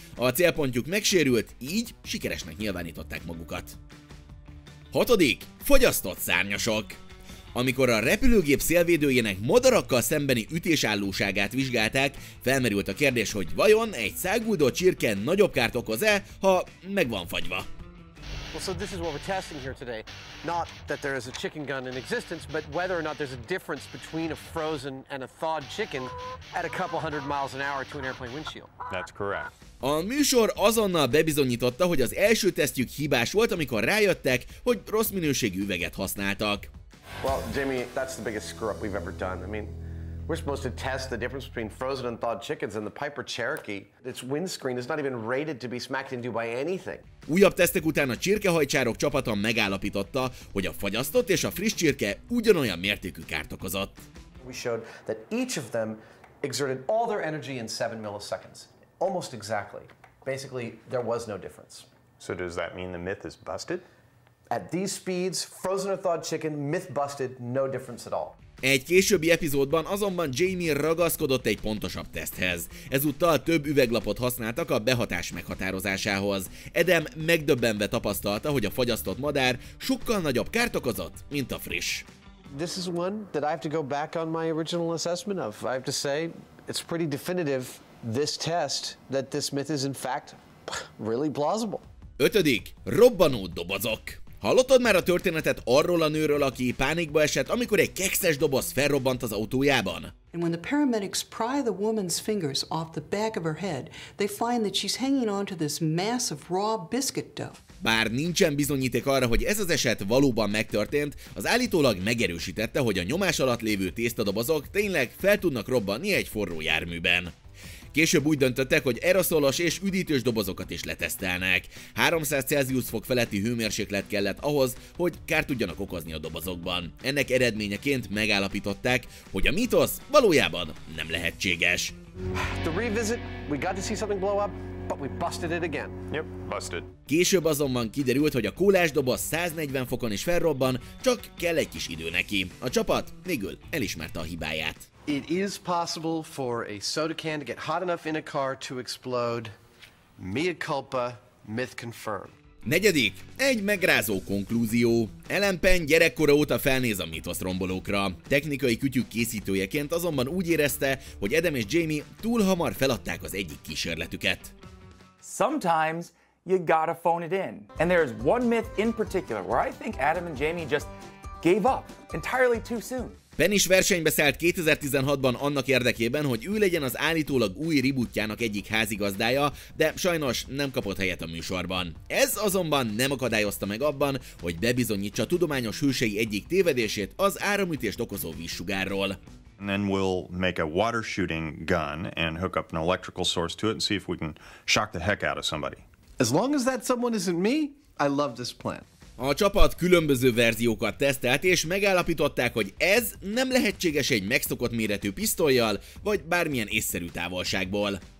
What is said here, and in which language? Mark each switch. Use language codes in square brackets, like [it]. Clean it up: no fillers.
[hu] A célpontjuk megsérült, így sikeresnek nyilvánították magukat. 6. Fogyasztott szárnyasok. Amikor a repülőgép szélvédőjének madarakkal szembeni ütésállóságát vizsgálták, felmerült a kérdés, hogy vajon egy száguldó csirke nagyobb kárt okoz-e, ha meg van fagyva. [en] Well, so this is what we're testing here today. Not that there is a chicken gun in existence, but whether or not there's a difference between a frozen and a thawed chicken at a couple hundred miles an hour to an airplane windshield. That's correct. [hu] A műsor azonnal bebizonyította, hogy az első tesztjük hibás volt, amikor rájöttek, hogy rossz minőségű üveget használtak. [en] Well, Jimmy, that's the biggest screw-up we've ever done. I mean, we're supposed to test the difference between frozen and thawed chickens, and the Piper Cherokee, its windscreen is not even rated to be smacked into by anything. [hu] Újabb tesztek után a csirkehajcsárok csapata megállapította, hogy a fagyasztott és a friss csirke ugyanolyan mértékű kárt okozott. [en] We showed that each of them exerted all their energy in 7 milliseconds, almost exactly. Basically, there was no difference. So does that mean the myth is busted? At these speeds, frozen or thawed chicken, myth busted, no difference at all. [hu] Egy későbbi epizódban azonban Jamie ragaszkodott egy pontosabb teszthez. Ezúttal több üveglapot használtak a behatás meghatározásához. Adam megdöbbenve tapasztalta, hogy a fagyasztott madár sokkal nagyobb kárt okozott, mint a friss. [en] This is one that I have to go back on my original assessment of. I have to say, it's pretty definitive, this test, that this myth is in fact really plausible. [hu] 5. Robbanó dobozok. Hallottad már a történetet arról a nőről, aki pánikba esett, amikor egy kekszes doboz felrobbant az autójában? [en] And when the paramedics pry the woman's fingers off the back of her head, they find that she's hanging on to this mass of raw biscuit dough. [hu] Bár nincsen bizonyíték arra, hogy ez az eset valóban megtörtént, az állítólag megerősítette, hogy a nyomás alatt lévő tésztadobozok tényleg fel tudnak robbanni egy forró járműben. Később úgy döntöttek, hogy aeroszolos és üdítős dobozokat is letesztelnek. 300 Celsius fok feletti hőmérséklet kellett ahhoz, hogy kárt tudjanak okozni a dobozokban. Ennek eredményeként megállapították, hogy a mítosz valójában nem lehetséges. [en] The revisit, we got to see something blow up, but we busted it again. Yep, busted. [hu] Később azonban kiderült, hogy a kólás doboz 140 fokon is felrobban, csak kell egy kis idő neki. A csapat végül elismerte a hibáját. [en] It is possible for a soda can to get hot enough in a car to explode. Mea culpa, myth confirmed. [hu] 4. Egy megrázó konklúzió. Ellen Penn gyerekkora óta felnéz a mítoszrombolókra. Technikai kütyük készítőjeként azonban úgy érezte, hogy Adam és Jamie túl hamar feladták az egyik kísérletüket. [en] Sometimes you gotta phone it in. And there is one myth in particular where I think Adam and Jamie just gave up entirely too soon. [hu] Penn is versenybe szállt 2016-ban annak érdekében, hogy ő legyen az állítólag új rebootjának egyik házigazdája, de sajnos nem kapott helyet a műsorban. Ez azonban nem akadályozta meg abban, hogy bebizonyítsa tudományos hősei egyik tévedését az áramütést okozó vízsugárról. [en] And then we'll make a water shooting gun and hook up an electrical source to it and see if we can shock the heck out of somebody. As long as that someone isn't me, I love this plan. [hu] A csapat különböző verziókat tesztelt, és megállapították, hogy ez nem lehetséges egy megszokott méretű pisztollyal, vagy bármilyen észszerű távolságból.